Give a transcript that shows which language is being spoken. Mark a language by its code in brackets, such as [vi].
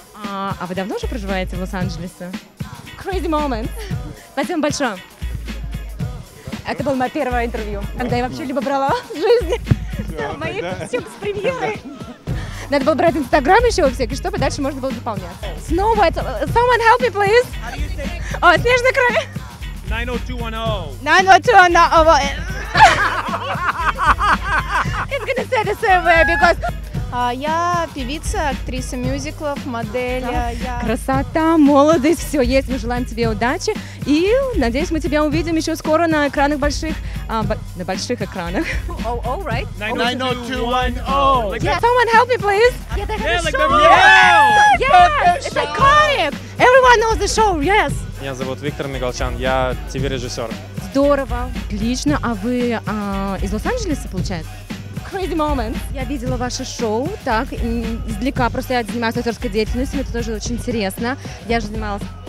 [ru] А вы давно уже проживаете в Лос-Анджелесе? [en] Crazy moment! [ru] Спасибо вам большое! Хорошо. Это было мое первое интервью, когда я вообще либо брала в жизни мои съемки с премьерой. Надо было брать Инстаграм еще всякие, чтобы дальше можно было заполнять. [en] Snow White, someone help me, please! [ru] О, снежный край! 90210! [en] It's gonna say the same way, because... [ru] Я певица, актриса мюзиклов, модель. Красота, молодость, все есть. Мы желаем тебе удачи. И надеюсь, мы тебя увидим еще скоро на экранах больших. На больших экранах. [en] All right. 90210. Yeah, someone help me, please. Yeah, they have yeah, a like show. Yeah, it's iconic. Everyone knows the show, yes. [ru] Меня зовут Виктор Мигалчан, я ТВ-режиссер. Здорово, отлично. А вы из Лос-Анджелеса, получается? [en] Crazy moment. [ru] Я видела ваше шоу, так, издалека, просто я занимаюсь актерской деятельностью, мне это тоже очень интересно. Я же занималась...